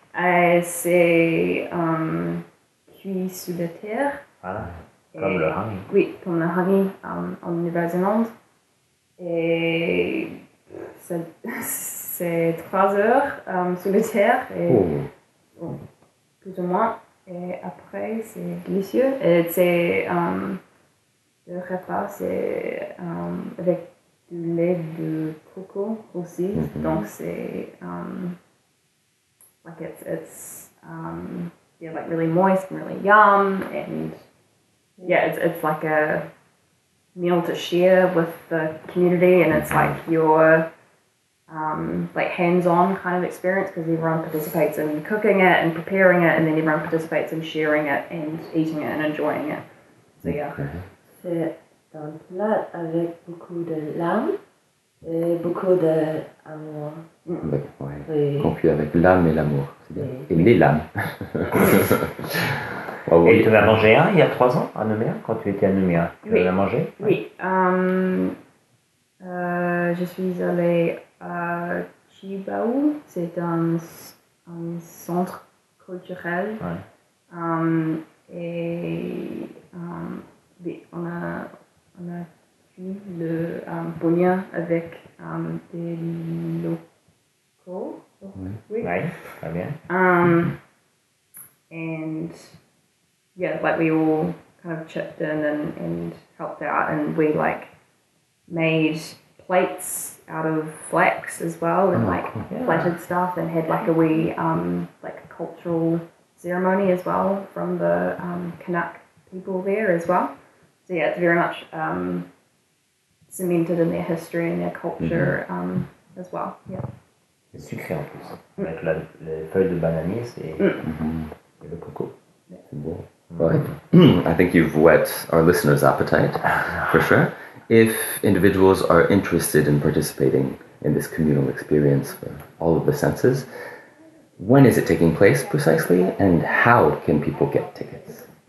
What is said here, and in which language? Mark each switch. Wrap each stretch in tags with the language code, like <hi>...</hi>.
<fr>Et c'est cuit sous la terre. Voilà, comme et, le honey. Oui, comme le honey en Nouvelle-Zélande. Et... C'est 3 heures sous la terre, et, plus ou moins, et après c'est délicieux. Et c'est le repas, c'est avec du lait de coco aussi, donc c'est</fr> <en>like it's yeah, like really moist and really yum, and yeah, it's like a meal to share with the community, and it's like your like hands-on kind of experience, because everyone participates in cooking it and preparing it, and then everyone participates in sharing it and eating it and enjoying it. So yeah.</en> <fr>C'est un plat avec beaucoup de l'âme et beaucoup de amour. Avec, ouais. Oui. Confus avec l'âme et l'amour. C'est bien. Oui. Et les lames. Oh, oui. Et tu en as mangé un il y a 3 ans à Nouméa, quand tu étais à Nouméa. Tu en as mangé? Oui. Ouais. Je suis allée à Chibaou, c'est un centre culturel. On a vu le bunya avec des locaux. Oui, très bien.</fr> <en>And yeah, like we all kind of chipped in and helped out, and we like made plates out of flax as well, and plaited stuff, and had like a wee like cultural ceremony as well from the Kanak people there as well. So yeah, it's very much cemented in their history and their culture as well. Yeah.</en> <fr>C'est sucré en plus. Avec la feuille de bananier, c'est et le coco.</fr> <en>Yeah.</en> <fr>C'est bon.</fr> <en>Right. I think you've whet our listeners' appetite, for sure. If individuals are interested in participating in this communal experience for all of the senses, when is it taking place precisely, and how can people get tickets?</en>